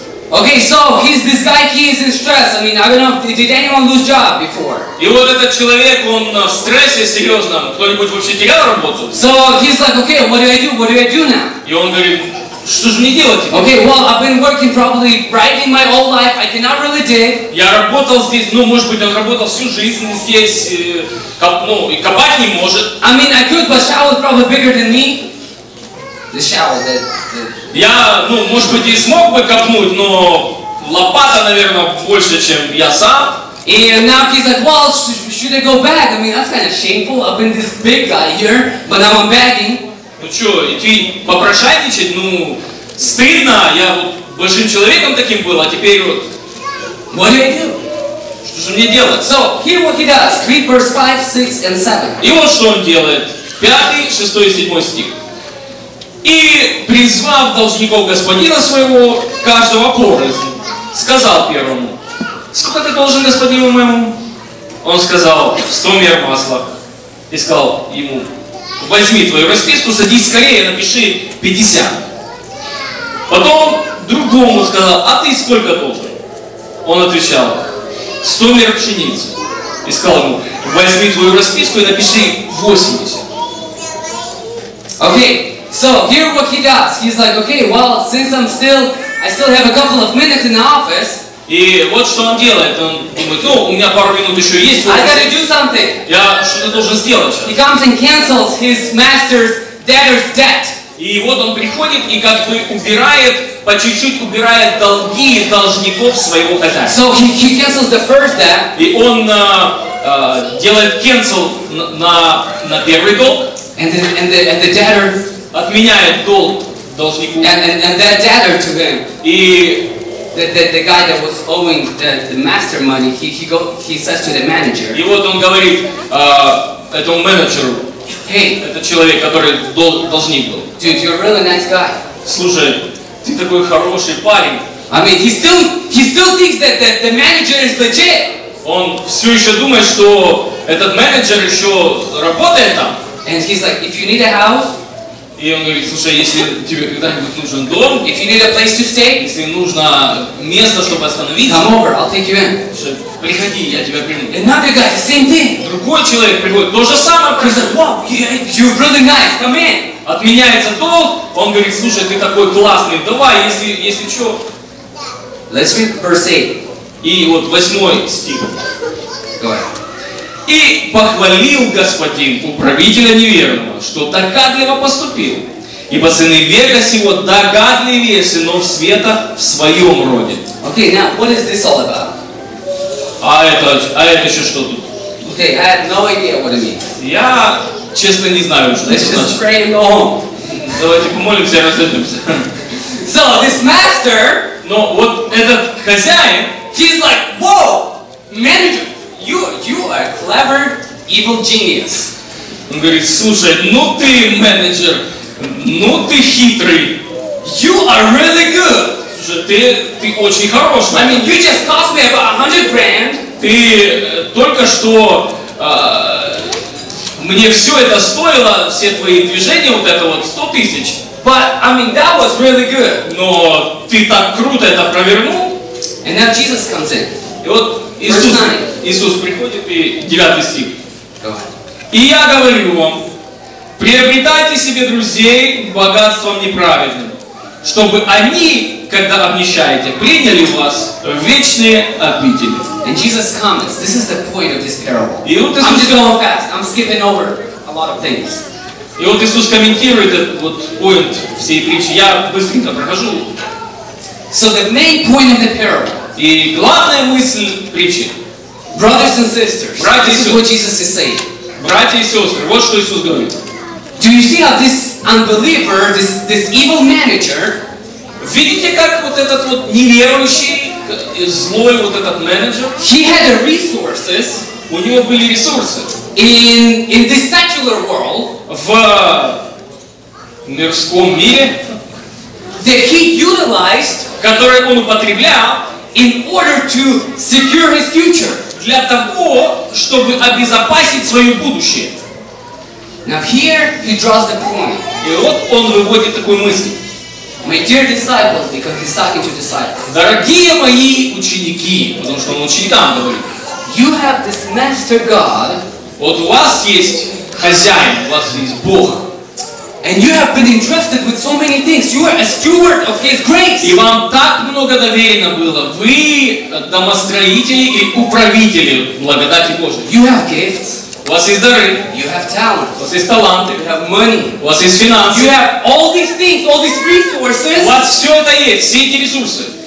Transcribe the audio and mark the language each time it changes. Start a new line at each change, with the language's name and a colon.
English: Okay, so he's this guy, he is in stress. I mean, I don't know, did anyone lose job before?
Russian: И вот этот человек, он в стрессе серьезном. Кто-нибудь вообще терял работу?
English: So he's like, okay, what do I do now?
Russian: И он говорит, что же мне делать теперь?
English: Okay, well, I've been working probably right in my whole life. I cannot really dig.
Russian: Я работал здесь, ну, может быть, он работал всю жизнь здесь, и копать не может.
English: I mean, I could, but shovel probably bigger than me. The shovel,
Russian: Я, ну, может быть, и смог бы копнуть, но лопата, наверное, больше, чем я сам.
English: And now he's like, well, should I go back? I mean, that's kind of shameful. I've been this big guy here, but now I'm begging.
Russian: Ну что, идти попрошайничать? Ну, стыдно, я вот большим человеком таким был, а теперь вот...
English: What do I do?
Russian: Что же мне делать?
English: So, here what he does, read verse 5, 6 and 7.
Russian: И вот что он делает, 5, 6 и 7 стих. И призвав должников господина своего, каждого порознь, сказал первому, сколько ты должен господину моему? Он сказал, 100 мер масла. И сказал ему, возьми твою расписку, садись скорее, напиши 50. Потом другому сказал, а ты сколько должен? Он отвечал, 100 мер пшеницы. И сказал ему, возьми твою расписку и напиши 80.
English: Okay, so here what he does. He's like, okay, well, since I still have a couple of minutes in the office.
Russian: И вот что он делает, он думает, ну, у меня пару минут еще есть.
English: I gotta do something.
Russian: Я что-то должен сделать сейчас.
English: He comes and cancels his master's debtor's debt.
Russian: И вот он приходит и как бы убирает, по чуть-чуть убирает долги должников своего хозяина.
English: So he cancels the first debt.
Russian: И он делает cancel на первый долг.
English: And the debtor.
Russian: Отменяет долг должнику.
English: And that debtor to him.
Russian: И
English: The guy that was owing the master money, he says to the manager.
Russian: И вот он говорит этому менеджеру,
English: hey,
Russian: этот человек, который должник был.
English: Dude, you're a really nice guy.
Russian: Слушай, ты такой хороший парень.
English: I mean, he still thinks that the manager is legit.
Russian: Он все еще думает, что этот менеджер еще работает там.
English: And he's like, if you need a house.
Russian: И он говорит, слушай, если тебе когда-нибудь нужен дом,
English: if you need a place to stay,
Russian: если нужно место, чтобы остановиться,
English: come over, I'll take you in.
Russian: Приходи, я тебя приму.
English: Another guy, same thing.
Russian: Другой человек приходит, то же самое.
English: He's like, wow, you're really nice, come in.
Russian: Отменяется долг, он говорит, слушай, ты такой классный, давай, если что.
English: Let's read verse 8.
Russian: И вот 8 стих. Давай. И похвалил господин управителя неверного, что догадливо поступил. Ибо сыны века сего догадливее сынов света в своем роде.
English: Okay, now, what is this all about?
Russian: А это еще что тут?
English: Okay, I have no idea what it means.
Russian: Я, честно, не знаю, что
English: let's
Russian: это значит.
English: Let's just pray and go home.
Russian: Давайте помолимся и разведемся.
English: So, this master...
Russian: Но вот хозяин,
English: he's like, whoa, manager, you are clever, evil genius.
Russian: Он говорит, слушай, ну ты менеджер, ну ты хитрый.
English: You are really good.
Russian: Слушай, ты очень хороший.
English: I mean, you just cost me about 100 grand.
Russian: Ты только что, мне все это стоило, все твои движения, вот это вот, 100 тысяч.
English: But, I mean, that was really good.
Russian: Но ты так круто это провернул.
English: And now Jesus comes in.
Russian: И вот Иисус приходит, и 9 стих. И я говорю вам, приобретайте себе друзей богатством неправедным, чтобы они, когда обнищаете, приняли вас в вечные обители.
English: And Jesus comments, this is the point of this parable.
Russian: И вот Иисус,
English: I'm just going fast, I'm skipping over a lot of things.
Russian: И вот Иисус комментирует этот вот point всей притчи. Я быстренько прохожу.
English: So the main point of the parable.
Russian: И главная мысль притчи.
English: Brothers and sisters,
Russian: братья,
English: this is what Jesus is saying.
Russian: Братья и сестры, вот что Иисус говорит.
English: Do you see how this unbeliever, this evil manager,
Russian: видите, как вот этот вот неверующий, злой вот этот менеджер?
English: He had the resources.
Russian: У него были ресурсы.
English: In this secular world.
Russian: В мирском мире.
English: That he utilized.
Russian: Который он употреблял.
English: In order to secure his future.
Russian: Для того, чтобы обезопасить свое будущее.
English: Now here he draws the point.
Russian: И вот он выводит такую мысль.
English: My dear disciples, because he's talking to disciples.
Russian: Дорогие мои ученики, потому что он ученикам говорит.
English: You have this master God.
Russian: Вот у вас есть хозяин, у вас есть Бог.
English: And you have been entrusted with so many things. You are a steward of His grace.
Russian: И вам так много доверено было. Вы домостроители и управители благодати Божьей.
English: You have gifts.
Russian: У вас есть дары.
English: You have talent.
Russian: У вас есть таланты.
English: You have money.
Russian: У вас есть финансы.
English: You have all these things, all these resources.
Russian: У вас все это есть, все эти ресурсы.